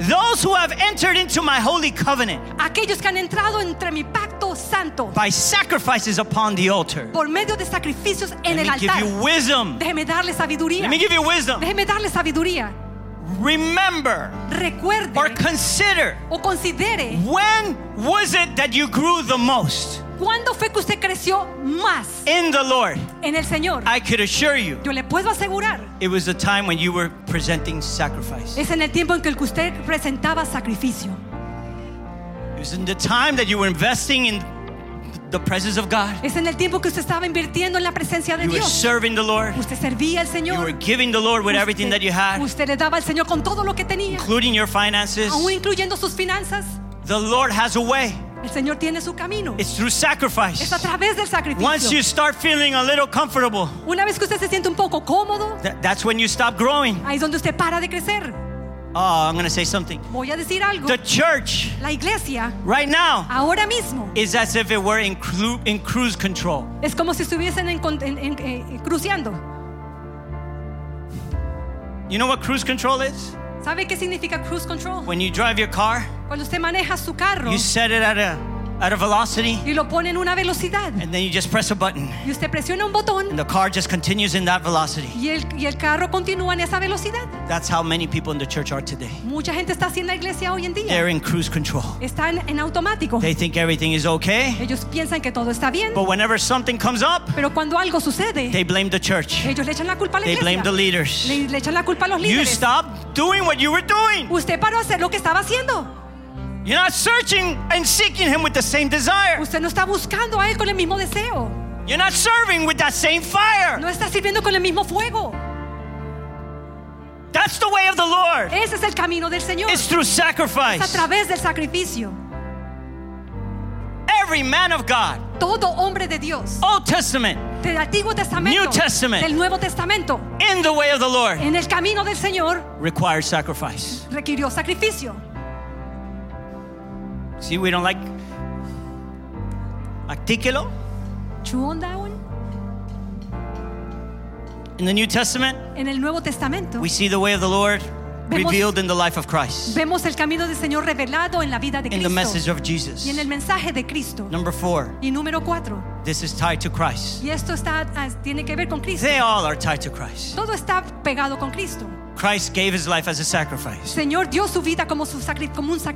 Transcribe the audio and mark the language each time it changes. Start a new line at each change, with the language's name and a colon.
English: Those who have entered into my holy covenant.
Spanish: Aquellos que han entrado entre mi pacto santo.
English: By sacrifices upon the altar.
Spanish: Por medio de sacrificios en el altar.
English: Let me give you wisdom.
Spanish: Déjeme darle sabiduría.
English: Let me give you wisdom.
Spanish: Déjeme darle sabiduría.
English: Remember,
Spanish: recuerde,
English: or consider,
Spanish: o considere,
English: when was it that you grew the most?
Spanish: ¿Cuándo fue que usted creció más?
English: In the Lord.
Spanish: En el Señor.
English: I could assure you.
Spanish: Yo le puedo asegurar.
English: It was the time when you were presenting sacrifice.
Spanish: Es en el tiempo en que usted presentaba sacrificio.
English: It was in the time that you were investing in the presence of God.
Spanish: Es en el tiempo que usted estaba invirtiendo en la presencia de Dios.
English: You were serving the Lord.
Spanish: Usted servía al Señor.
English: You were giving the Lord with everything that you had.
Spanish: Usted le daba al Señor con todo lo que tenía.
English: Including your finances.
Spanish: Aún incluyendo sus finanzas.
English: The Lord has a way.
Spanish: El Señor tiene su camino.
English: It's through sacrifice.
Spanish: Es a través del sacrificio.
English: Once you start feeling a little comfortable.
Spanish: Una vez que usted se siente un poco cómodo.
English: That's when you stop growing.
Spanish: Ahí es donde usted para de crecer.
English: Oh, I'm going to say something.
Spanish: Voy a decir algo.
English: The church,
Spanish: la iglesia,
English: right now,
Spanish: ahora mismo,
English: is as if it were in cruise control.
Spanish: Es como si estuviesen en cruceando.
English: You know what cruise control is?
Spanish: ¿Sabe qué significa cruise control?
English: When you drive your car,
Spanish: cuando usted maneja su carro,
English: you set it at a velocity,
Spanish: y lo pone en una velocidad,
English: and then you just press a button,
Spanish: y usted presiona un botón,
English: and the car just continues in that velocity.
Spanish: Y el carro continúa en esa velocidad.
English: That's how many people in the church are today.
Spanish: Mucha gente está así en la iglesia hoy en día.
English: They're in cruise control.
Spanish: Están en automático.
English: They think everything is okay.
Spanish: Ellos piensan que todo está bien.
English: But whenever something comes up,
Spanish: pero cuando algo sucede,
English: they blame the church.
Spanish: Ellos le echan la culpa a la
English: they
Spanish: iglesia.
English: Blame the leaders.
Spanish: Le echan la culpa a los líderes.
English: You stop doing what you were doing.
Spanish: Usted paró a hacer lo que estaba haciendo.
English: You're not searching and seeking him with the same desire.
Spanish: Usted no está buscando a él con el mismo deseo.
English: You're not serving with that same fire.
Spanish: No está sirviendo con el mismo fuego.
English: That's the way of the Lord.
Spanish: Ese es el camino del Señor.
English: It's through sacrifice.
Spanish: Es a través del sacrificio.
English: Every man of God.
Spanish: Todo hombre de Dios.
English: Old Testament.
Spanish: Del Antiguo Testamento.
English: New Testament.
Spanish: Del Nuevo Testamento.
English: In the way of the Lord.
Spanish: En el camino del Señor.
English: Requires sacrifice.
Spanish: Requirió sacrificio.
English: See, we don't like artículo. Chuon that one. In the New Testament,
Spanish: en el Nuevo Testamento,
English: we see the way of the Lord revealed in the life of Christ.
Spanish: Vemos el camino del Señor revelado en la vida de Cristo.
English: In the message of Jesus.
Spanish: Y en el mensaje de Cristo.
English: Number four.
Spanish: Y número cuatro.
English: This is tied to Christ.
Spanish: Y esto está tiene que ver con Cristo.
English: They all are tied to Christ.
Spanish: Todo está pegado con Cristo.
English: Christ gave his life as a sacrifice.
Spanish: Señor dio su vida como un sacrificio.